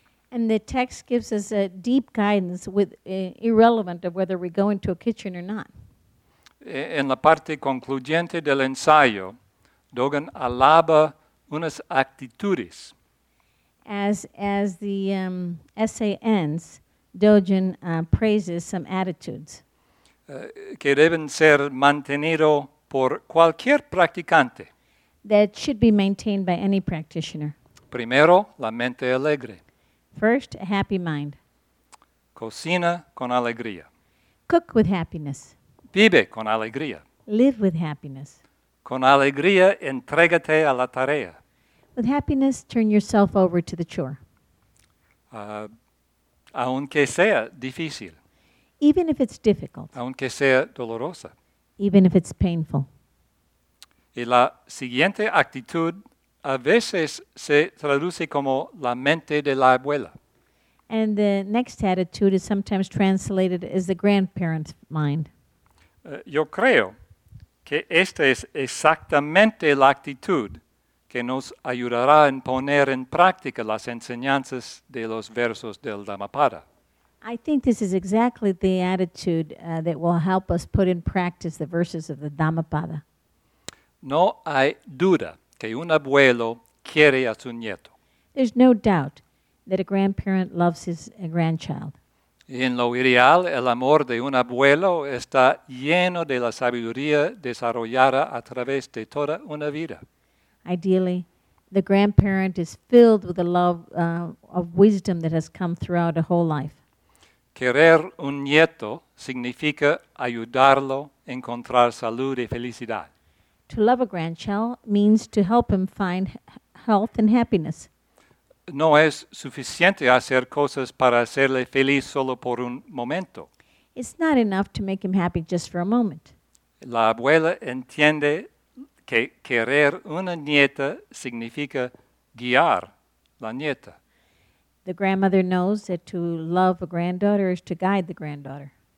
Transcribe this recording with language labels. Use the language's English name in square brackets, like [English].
[English] And the text gives us a deep guidance with irrelevant of whether we go into a kitchen or not. [Spanish] En la parte concluyente del ensayo, Dogen alaba unas actitudes. [English] As the essay ends, Dogen praises some attitudes. [Spanish] Que deben ser mantenido por cualquier practicante. [English] That should be maintained by any practitioner. [Spanish] Primero, la mente alegre. [English] First, a happy mind. [Spanish] Cocina con alegría. [English] Cook with happiness. [Spanish] Vive con alegría. [English] Live with happiness. [Spanish] Con alegría, entrégate a la tarea. [English] With happiness, turn yourself over to the chore. [Spanish] Aunque sea difícil. [English] Even if it's difficult. [Spanish] Aunque sea dolorosa. [English] Even if it's painful. [Spanish] Y la siguiente actitud a veces se traduce como la mente de la abuela. [English] And the next attitude is sometimes translated as the grandparent's mind. [Spanish] Yo creo que esta es exactamente la actitud que nos ayudará en poner en práctica las enseñanzas de los versos del Dhammapada. [English] I think this is exactly the attitude that will help us put in practice the verses of the Dhammapada. [Spanish] No hay duda que un abuelo quiere a su nieto. [English] There's no doubt that a grandparent loves his grandchild. [Spanish] Y en lo ideal, el amor de un abuelo está lleno de la sabiduría desarrollada a través de toda una vida. [English] Ideally, the grandparent is filled with the love of wisdom that has come throughout a whole life. [Spanish] Querer un nieto significa ayudarlo a encontrar salud y felicidad. [English] To love a grandchild means to help him find health and happiness. [Spanish] No es suficiente hacer cosas para hacerle feliz solo por un momento. [English] It's not enough to make him happy just for a moment. [Spanish] La abuela entiende que querer una nieta significa guiar la nieta. [English] The grandmother knows that to love a granddaughter is to guide the granddaughter.